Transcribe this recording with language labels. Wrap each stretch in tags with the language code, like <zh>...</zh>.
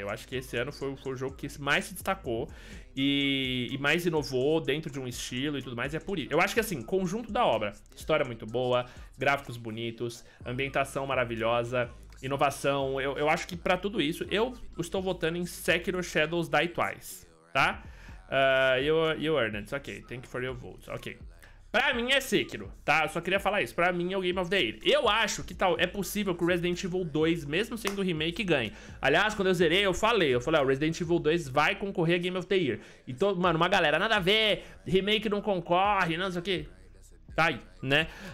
<pt>Eu acho que esse ano foi o jogo que mais se destacou e mais inovou dentro de um estilo e tudo mais. E é por isso. Eu acho que assim, conjunto da obra, história muito boa, gráficos bonitos, ambientação maravilhosa, inovação. Eu acho que pra tudo isso, eu estou votando em Sekiro Shadows Die Twice, tá?</pt> <en>You earned it, ok, thank you for your vote, ok.</en> <pt>Pra mim é Sekiro, tá? Eu só queria falar isso. Pra mim é o Game of the Year. Eu acho que tal, é possível que o Resident Evil 2, mesmo sendo o remake, ganhe. Aliás, quando eu zerei, eu falei, o Resident Evil 2 vai concorrer a Game of the Year. E todo, mano, uma galera, nada a ver, remake não concorre, não sei o quê. Tá aí, né?</pt>